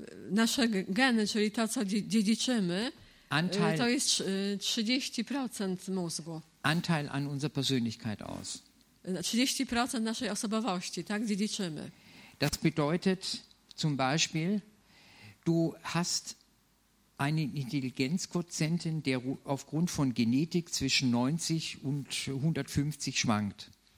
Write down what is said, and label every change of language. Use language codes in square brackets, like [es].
[pl] nasze geny, czyli to co dziedziczymy, [de] Anteil, [pl] to jest 30% mózgu. [de] Anteil an unserer Persönlichkeit aus. [pl] 30% naszej osobowości, tak, dziedziczymy. [de] Das bedeutet zum Beispiel, du hast einen Intelligenzquotienten, der aufgrund von Genetik zwischen 90 und 150 schwankt.